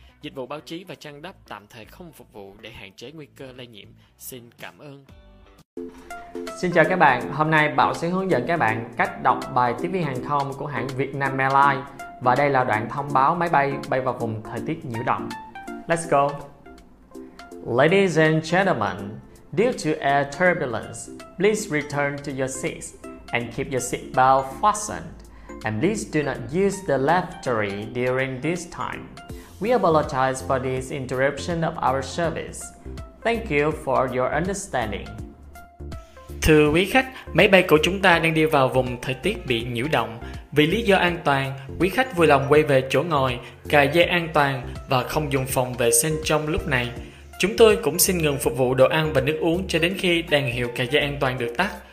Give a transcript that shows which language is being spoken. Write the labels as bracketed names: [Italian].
[Vietnamese] Dịch vụ báo chí và trang đáp tạm thời không phục vụ để hạn chế nguy cơ lây nhiễm. Xin cảm ơn. Xin chào các bạn, hôm nay Bảo sẽ hướng dẫn các bạn cách đọc bài tiếp viên hàng không của hãng Vietnam Airlines. Và đây là đoạn thông báo máy bay bay vào vùng thời tiết nhiễu động. [English] Let's go! Ladies and gentlemen, due to air turbulence, please return to your seats and keep your seat belt fastened. And please do not use the lavatory during this time. We apologize for this interruption of our service. Thank you for your understanding. [Vietnamese] Thưa quý khách, máy bay của chúng ta đang đi vào vùng thời tiết bị nhiễu động. Vì lý do an toàn, quý khách vui lòng quay về chỗ ngồi, cài dây an toàn và không dùng phòng vệ sinh trong lúc này. Chúng tôi cũng xin ngừng phục vụ đồ ăn và nước uống cho đến khi đèn hiệu cài dây an toàn được tắt.